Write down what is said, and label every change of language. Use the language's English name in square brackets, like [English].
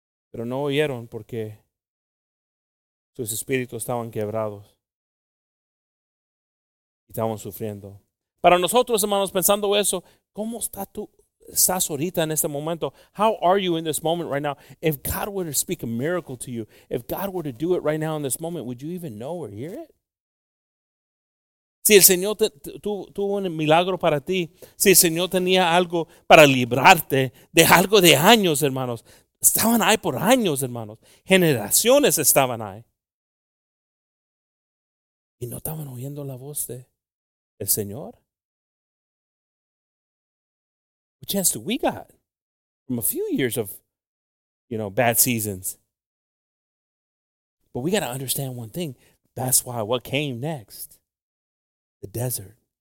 [Spanish] Pero no oyeron porque sus espíritus estaban quebrados y estaban sufriendo. Para nosotros, hermanos, pensando eso, ¿cómo estás ahorita en este momento? [English] How are you in this moment right now? If God were to speak a miracle to you, if God were to do it right now in this moment, would you even know or hear it? [Spanish] Si el Señor tuvo un milagro para ti, si el Señor tenía algo para librarte de algo de años, hermanos, estaban ahí por años, hermanos, generaciones estaban ahí. Y no estaban oyendo la voz de el Señor. [English] What chance do we got from a few years of, you know, bad seasons? But we got to understand one thing. That's why what came next? The desert.